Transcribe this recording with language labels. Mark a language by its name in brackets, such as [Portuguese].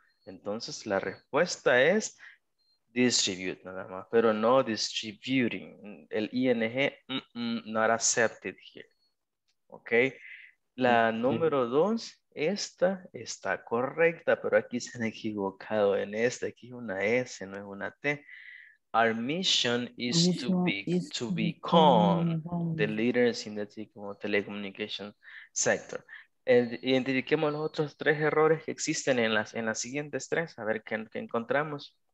[Spanish] Entonces, la respuesta es distribute, nada más, pero no distributing. El ING, [English] not accepted here. Ok. [Spanish] La número dos, esta está correcta, pero aquí se han equivocado en esta. Aquí es una S, no es una T. [English] Our mission is to become the leaders in the telecommunications sector. [Spanish] Identifiquemos los otros tres errores que existen en las siguientes tres, a ver qué encontramos.